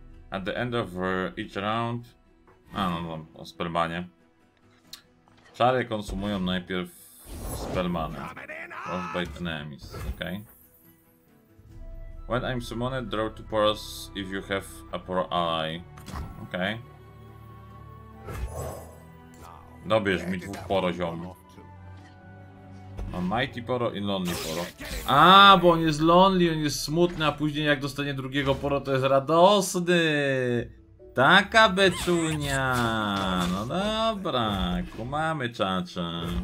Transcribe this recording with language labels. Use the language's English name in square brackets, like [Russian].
[English] At the end of each round... [Polish] A, no, no, o spellmanie. Czary konsumują najpierw spellmany. [English] Frostbite enemies, okej. When I'm summoned, draw two poros if you have a poro ally. [Polish] Okej. Dobierz mi dwóch poro, ziom. Mam Mighty Poro i Lonely Poro. A, bo on jest lonely, on jest smutny, a później jak dostanie drugiego poro, to jest radosny. Taka beczunia. No dobra, kumamy czacze.